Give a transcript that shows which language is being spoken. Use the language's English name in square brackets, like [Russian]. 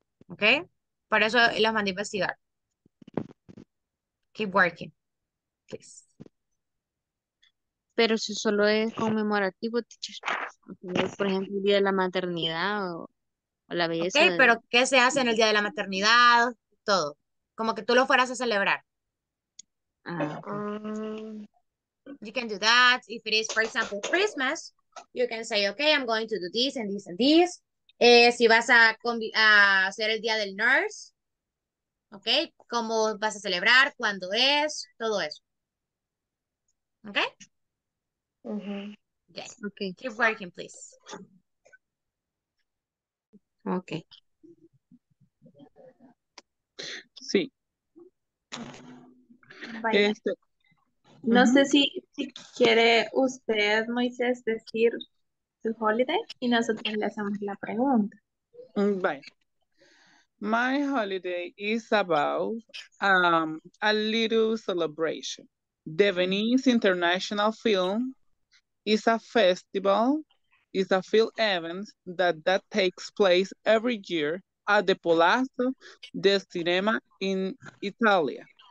[Spanish] Okay, para eso las mandé a investigar. [English] Keep working, please. [Spanish] Pero si solo es conmemorativo, por ejemplo, el día de la maternidad o la belleza. Okay, pero ¿qué se hace en el día de la maternidad? Todo, como que tú lo fueras a celebrar. [English] You can do that. If it is, for example, Christmas, you can say, okay, I'm going to do this and this and this. [Spanish] Si vas a hacer el día del nurse, ¿ok? ¿Cómo vas a celebrar? ¿Cuándo es? Todo eso. ¿Ok? Uh-huh. [English] Okay. Okay. Keep working, please. Ok. [Spanish] Sí. Vaya. No sé si quiere usted, Moisés, decir holiday y nosotros le hacemos la pregunta. [English] Bye. My holiday is about a little celebration. The Venice International Film is a festival, is a film event that takes place every year at the Palazzo del Cinema in Italia.